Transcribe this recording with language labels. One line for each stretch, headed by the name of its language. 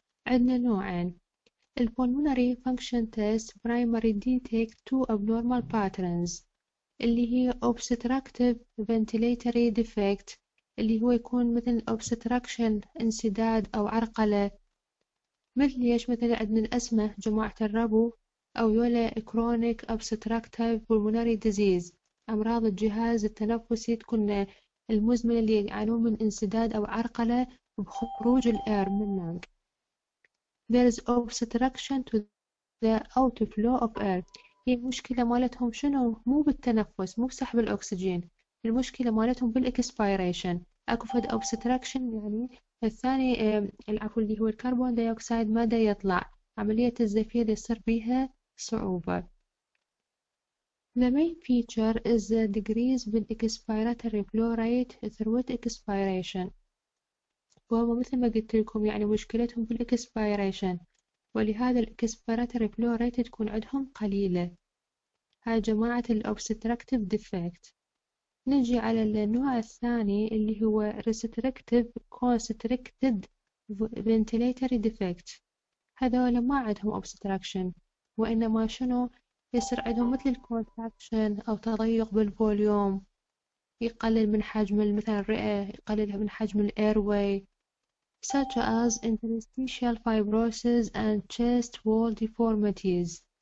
Arabic: عندنا نوعين، البولمونري فانكشن تيست برايمري ديتكت تو ابنورمال باترنز، اللي هي اوبستراكتيف فنتيليتوري ديفكت، اللي هو يكون مثل اوبستراكشن انسداد او عرقلة، مثل ليش؟ مثل عندنا الأزمة جماعة الربو، او يولا كرونيك اوبستراكتيف بولمونري ديزيز، امراض الجهاز التنفسي تكون المزمنة اللي يعانون من انسداد او عرقلة بخروج الاير من اللانج.
English: There is obstruction to the outflow of air.
Arabic: هي المشكلة مالتهم شنو؟ مو بالتنفس، مو بسحب الأكسجين، المشكلة مالتهم بالإكسبيريشن. أكو فد obstruction، يعني الثاني العفو اللي هو الكربون دايوكسيد ما دا يطلع، عملية الزفير يصير بيها صعوبة.
English: The main feature is the decrease in expiratory flow rate through expiration.
Arabic: وهو مثل ما قلت لكم يعني مشكلتهم بالإكسبيريشن، ولهذا الإكسبيراتوري فلو ريت تكون عندهم قليلة، هاي جماعة الأوبستراكتيف ديفكت. نجي على النوع الثاني اللي هو ريستركتيف كونستركتد فنتيليتوري ديفكت، هذول ما عندهم أوبستراكشن، وإنما شنو يصير عندهم مثل الكونتراكشن أو تضيق بالفوليوم، يقلل من حجم مثل الرئة، يقلل من حجم الإيرواي،
English: such as interstitial fibrosis and chest wall deformities.